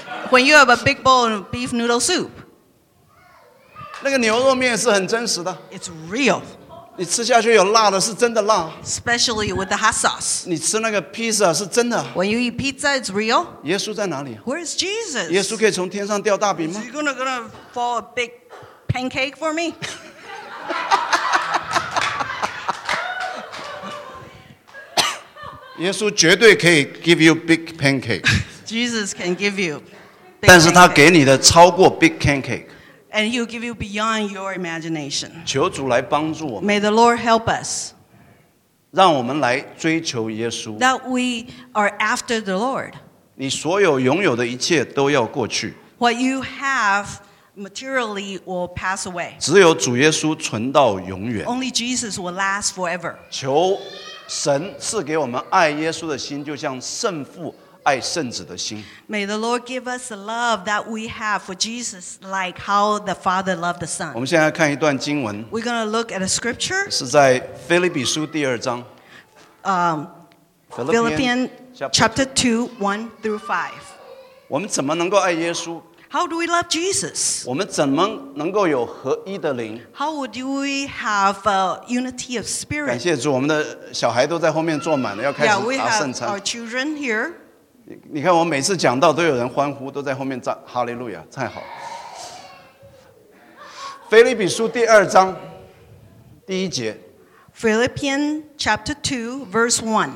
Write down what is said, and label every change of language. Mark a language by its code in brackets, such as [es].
[en] When you have a big bowl of beef noodle soup, [zh] 那个牛肉面是很真实的。 [en] It's real. [zh] 你吃下去有辣的，是真的辣。 [en] Especially with the hot sauce. [zh] 你吃那个 pizza 是真的。 [en] When you eat pizza, it's real. [zh] 耶稣在哪里 [en] ？Where is Jesus? [zh] 耶稣可以从天上掉大饼吗 [en] ？Is he gonna fall a big pancake for me? [zh] 耶稣绝对可以 [en] give you big pancake. Jesus can give you. [zh] 但是他给你的超过 [en] big pancake， and he'll give you beyond your imagination。 [zh] 求主来帮助我们。 [en] May the Lord help us。 [zh] 让我们来追求耶稣。 [en] That we are after the Lord。 [zh] 你所有拥有的一切都要过去。 [en] What you have materially will pass away。 [zh] 只有主耶稣存到永远。 [en] Only Jesus will last forever。 [zh] 求神赐给我们爱耶稣的心，就像圣父。爱圣子的心。 [en] May the Lord give us the love that we have for Jesus, like how the Father loved the Son. [zh] 我们现在看一段经文。 [en] We're going to look at a scripture. [zh] 是在腓立比书第二章。 [en] Philippians chapter 2:1-5. [zh] 我们怎么能够爱耶稣 [en] ？How do we love Jesus? [zh] 我们怎么能够有合一的灵 [en] ？How would we have a unity of spirit? [zh] 感谢主，我们的小孩都在后面坐满了，要开始拿圣餐。 [en] Yeah, we have our children here. [zh] 你看我每次讲到都有人欢呼都在后面哈利路亚太好腓立比书第二章第一节 [en] Philippians chapter 2 verse 1